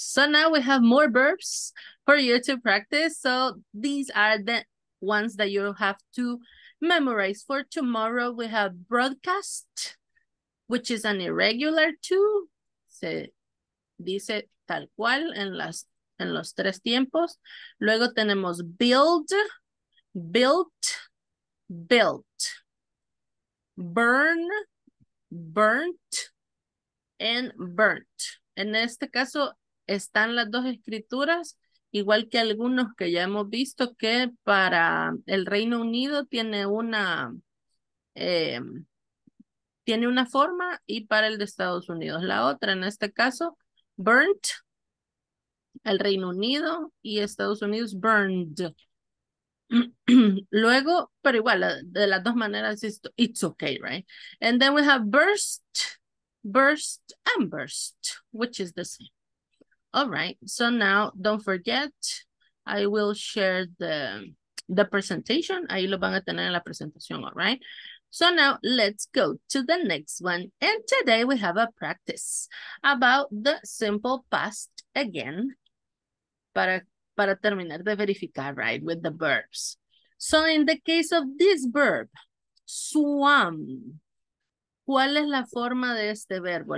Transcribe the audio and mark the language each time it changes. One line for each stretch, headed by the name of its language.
English: So now we have more verbs for you to practice. So these are the ones that you have to memorize for tomorrow. We have broadcast, which is an irregular two.
Spanish: Se dice tal cual en los tres tiempos. Luego tenemos build, built, built.
English: Burn, burnt, and burnt.
Spanish: En este caso están las dos escrituras, igual que algunos que ya hemos visto que para el Reino Unido tiene una... tiene una forma y para el de Estados Unidos la otra. En este caso, burnt, el Reino Unido, y Estados Unidos, burned. Luego, pero igual, de las dos maneras,
English: it's okay, right? And then we have burst, burst, and burst, which is the same. All right, so now, don't forget, I will share the presentation.
Spanish: Ahí lo van a tener en la presentación,
English: all right? So now let's go to the next one. And today we have a practice about the simple past again.
Spanish: Para terminar de verificar,
English: right, with the verbs. So in the case of this verb, swam,
Spanish: ¿cuál es la forma de este verbo?